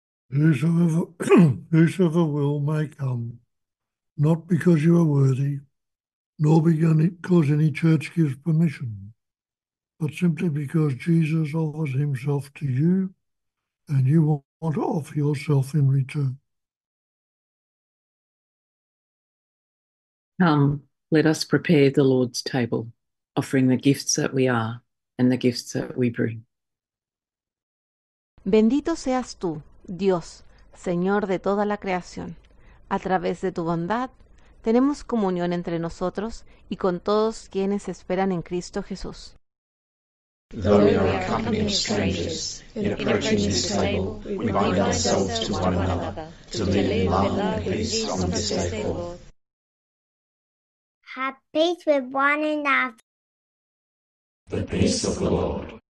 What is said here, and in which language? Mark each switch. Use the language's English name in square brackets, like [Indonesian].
[English] Whosoever will may come, not because you are worthy, nor because any church gives permission, but simply because Jesus offers himself to you and you want to offer yourself in return. Come, let us prepare the Lord's table, offering the gifts that we are and the gifts that we bring. [Spanish] Bendito seas tú, Dios, Señor de toda la creación. A través de tu bondad, tenemos comunión entre nosotros y con todos quienes esperan en Cristo Jesús. [English] Though we are a company of strangers, in approaching this table, we bind ourselves to one another, to live in love and peace from this day forth. Have peace with one another. The peace of the Lord.